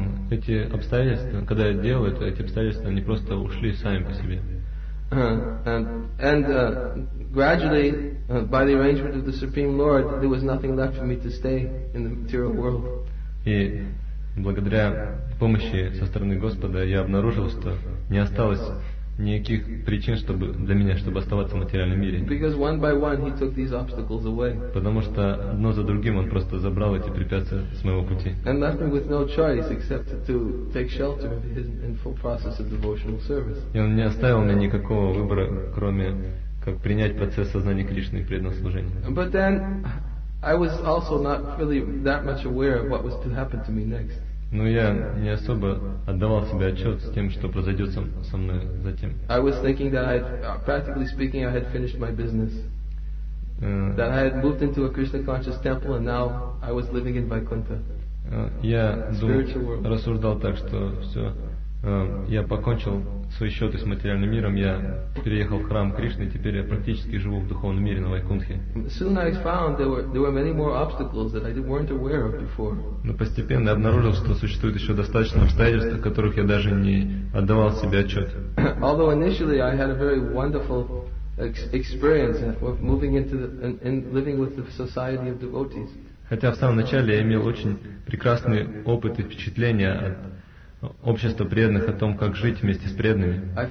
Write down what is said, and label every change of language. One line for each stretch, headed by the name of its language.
Russian: эти обстоятельства, когда я делал это, эти обстоятельства, они просто ушли сами по себе.
English: And gradually, by the arrangement of the Supreme Lord, there was nothing left for me to stay in the material world.
Russian: И благодаря помощи со стороны Господа я обнаружил, что не осталось никаких причин, чтобы для меня, чтобы оставаться в материальном мире.
English: Because one by one he took these obstacles away.
Russian: Потому что одно за другим он просто забрал эти препятствия с моего пути.
English: And left me with no choice except to take shelter in full process of devotional service.
Russian: И он не оставил мне никакого выбора, кроме как принять процесс сознания Кришны и преданного служения.
English: But then I was also not really that much aware of what was to happen to me next.
Russian: Но я не особо отдавал себе отчет с тем, что произойдет со мной затем.
English: I was thinking that I had, practically speaking, I had finished my business. That I had moved into a Krishna conscious temple and now I was living in Vaikuntha.
Russian: Я рассуждал так, что все, я покончил свои счеты с материальным миром, я переехал в храм Кришны, теперь я практически живу в духовном мире на Вайкунтхе.
English: Soon I found there were many more obstacles that I weren't aware of before.
Russian: Но постепенно я обнаружил, что существует еще достаточно обстоятельств, о которых я даже не отдавал себе отчет.
English: Although initially I had a very wonderful experience of moving into and living with the society of devotees.
Russian: Хотя в самом начале я имел очень прекрасный опыт и впечатления от общество преданных, о том, как жить вместе с преданными.